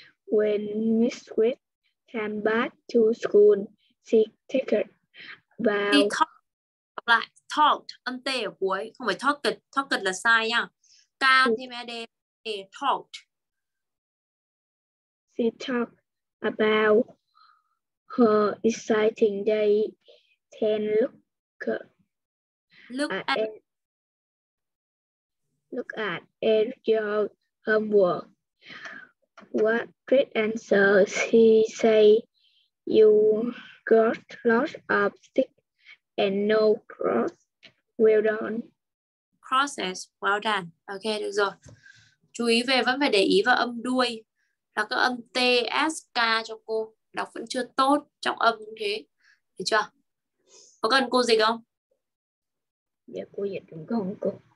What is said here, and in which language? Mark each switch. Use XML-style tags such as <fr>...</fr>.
<en>When Miss Sweet came back to school, she talked about... She talked</en> <vi>âm T ở cuối, không phải talked là sai nha. Can thêm AD, talked.</vi> <en>She talked about her exciting day, then look at your homework. What great answer, she say. You got lots of sticks and no cross. Well done. Crosses, well done. Ok,</en> <vi>được rồi. Chú ý về, vẫn phải để ý vào âm đuôi. Là các âm T, S, K cho cô. Đọc vẫn chưa tốt trong âm như thế. Được chưa? Có cần cô dịch không? Dạ, cô dịch cũng không cô.</vi>